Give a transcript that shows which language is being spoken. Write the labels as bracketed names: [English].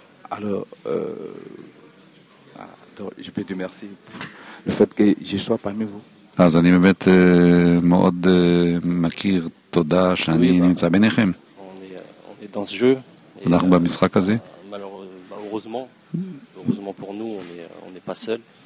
[French] Alors, je peux te remercier pour le fait que je sois parmi vous. [Hebrew] אז אני באמת מאוד מכיר תודה שאני נמצא ביניכם. [French] On est dans ce jeu. [Hebrew] אנחנו במשחק הזה. [French] Malheureusement pour nous, on est pas seul.